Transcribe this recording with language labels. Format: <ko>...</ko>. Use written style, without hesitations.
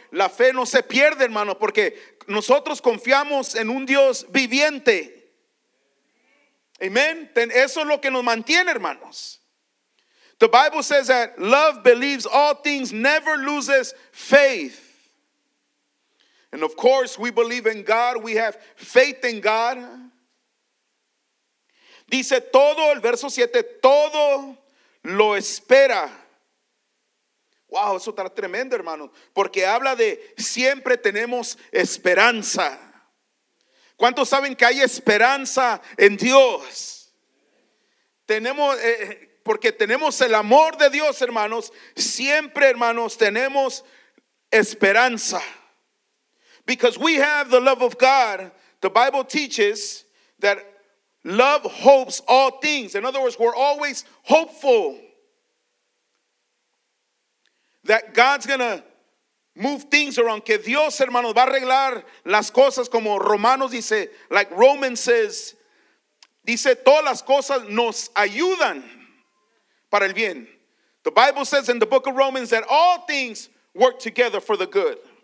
<es>La fe no se pierde, hermano, porque nosotros confiamos en un Dios viviente. Amen. Eso es lo que nos mantiene, hermanos.</es> <en>The Bible says that love believes all things, never loses faith. And of course, we believe in God. We have faith in God.</en> <es>Dice todo, el verso 7, todo lo espera. Wow, eso está tremendo, hermano. Porque habla de siempre tenemos esperanza. ¿Cuántos saben que hay esperanza en Dios? Tenemos... Porque tenemos el amor de Dios, hermanos. Siempre, hermanos, tenemos esperanza.</es> <en>Because we have the love of God, the Bible teaches that love hopes all things. In other words, we're always hopeful that God's going to move things around.</en> <es>Que Dios, hermanos, va a arreglar las cosas como Romanos dice,</es> <en>like Romans says,</en> <es>dice, todas las cosas nos ayudan. Para el bien.</es> <en>The Bible says in the book of Romans that all things work together for the good.</en>